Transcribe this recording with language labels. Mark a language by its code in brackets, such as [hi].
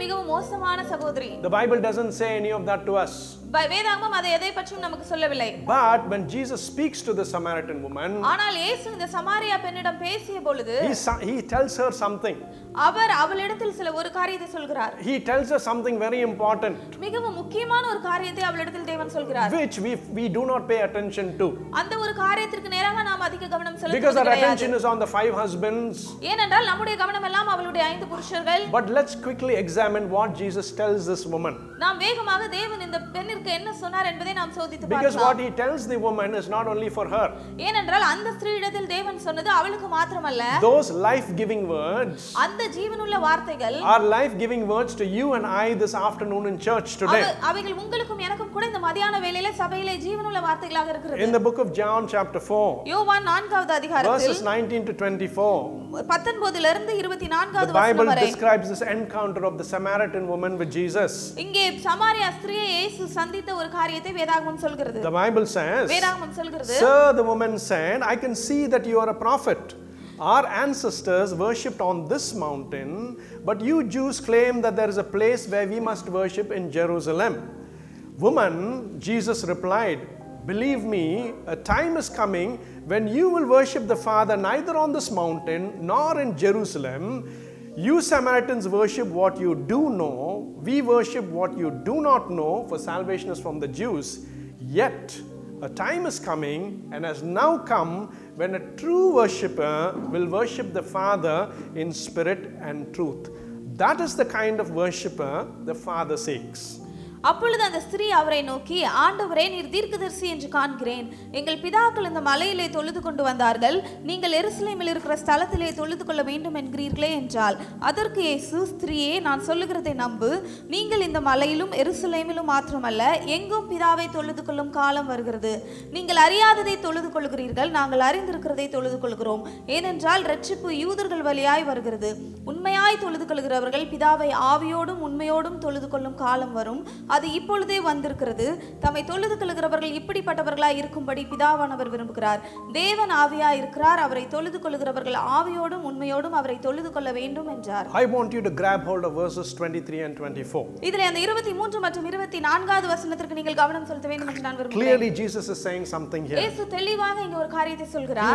[en] The Bible doesn't say any of that to us. [ta] வேதாகமம் அதை எதை பற்றியும் நமக்கு சொல்லவில்லை. [en] But when Jesus speaks to the Samaritan woman, [ta] ஆனால் இயேசு இந்த சமாரியா பெண்ணிடம் பேசிய பொழுது, [en] he tells her something. [ta] அவர் அவளிடத்தில் சில ஒரு காரியத்தை சொல்கிறார். [en] He tells her something very important. [ta] மிகவும் முக்கியமான ஒரு காரியத்தை அவளிடத்தில் தேவன் சொல்கிறார். [en] Which we do not pay attention to. [ta] அந்த ஒரு காரியத்திற்கு நேராக நாம் அதிக கவனம் செலுத்த முடியாது. [en] Because our attention is on the five husbands. [ta] ஏனென்றால் நம்முடைய கவனம் எல்லாம் அவளுடைய ஐந்து புருஷர்கள். [en] But let's quickly examine what Jesus tells this woman. [ta] நாம் வேகமாக தேவன் இந்த பெண்ணை என்ன சொன்னார் என்பதை நாம் சோதித்து பார்க்கலாம். [en] Because what he tells the woman is not only for her. [ta] ஏனென்றால் அந்த ஸ்திரீயிடத்தில் தேவன் சொன்னது அவளுக்கு மட்டுமல்ல. [en] Those life-giving words. [ta] அந்த ஜீவனுள்ள வார்த்தைகள். [en] Are life-giving words to you and I this afternoon in church today. [ta] அவைகள் உங்களுக்கும் எனக்கும் கூட இந்த மதியான வேளையில சபையிலே ஜீவனுள்ள வார்த்தைகளாக இருக்கிறது. [en] In the book of John chapter 4. [ta] யோவான் 4வது அதிகாரத்தில். [en] Verses 19 to 24. [ta] 19-லிருந்து 24வது வசனம் வரை. [en] The Bible describes this encounter of the Samaritan woman with Jesus. [ta] இங்கே சமாரியா ஸ்திரீயை இயேசு சந்தித்த ஒரு காரியத்தை வேதாகமம் சொல்கிறது. [en] The Bible says. [ta] வேதாகமம் சொல்கிறது. [en] Sir, the woman said, I can see that you are a prophet. Our ancestors worshipped on this mountain, but you Jews claim that there is a place where we must worship in Jerusalem. Woman, Jesus replied, believe me, a time is coming when you will worship the Father neither on this mountain nor in Jerusalem. You Samaritans worship what you do know. We worship what you do not know, for salvation is from the Jews. Yet, a time is coming and has now come when a true worshipper will worship the Father in spirit and truth. That is the kind of worshipper the Father seeks. [ta] அப்பொழுது அந்த ஸ்திரீ அவரை நோக்கி, ஆண்டவரே, நீர் தீர்க்கதரிசி என்று காண்கிறேன். எங்கள் பிதாக்கள் இந்த மலையிலே தொழுது கொண்டு வந்தார்கள். நீங்கள் எருசலேமில் இருக்கிற ஸ்தலத்திலே தொழுது கொள்ள வேண்டும் என்கிறீர்களே என்றால், அதற்கு இயேசு, ஸ்திரீயே, நான் சொல்லுகிறதை நம்பு. நீங்கள் இந்த மலையிலும் எருசலேமிலும் மாத்திரமல்ல, எங்கும் பிதாவை தொழுது கொள்ளும் காலம் வருகிறது. நீங்கள் அறியாததை தொழுது கொள்கிறீர்கள், நாங்கள் அறிந்திருக்கிறதை தொழுது கொள்கிறோம். ஏனென்றால் இரட்சிப்பு யூதர்கள் வழியாய் வருகிறது. உண்மையாய் தொழுது கொள்கிறவர்கள் பிதாவை ஆவியோடும் உண்மையோடும் தொழுது கொள்ளும் காலம் வரும். அது இப்பொழுதே வந்திருக்கிறது. தம்மை தொழுது கொள்கிறவர்கள் இப்படிப்பட்டவர்களாய் இருக்கும்படி பிதாவானவர் விரும்புகிறார். தேவன் ஆவியாய் இருக்கிறார். அவரை தொழுது கொள்கிறவர்கள் ஆவியோடும் உண்மையோடும் அவரை தொழுது கொள்ள வேண்டும் என்றார். [en] I want you to grab hold of verses 23 and 24. [ta] இதிலே அந்த 23 மற்றும் 24வது வசனத்திற்கு நீங்கள் கவனம் செலுத்த வேண்டும் என்று நான் விரும்புகிறேன். [en] Clearly Jesus is saying something here. [ta] இயேசு தெளிவாக இங்க ஒரு காரியத்தை சொல்கிறார்.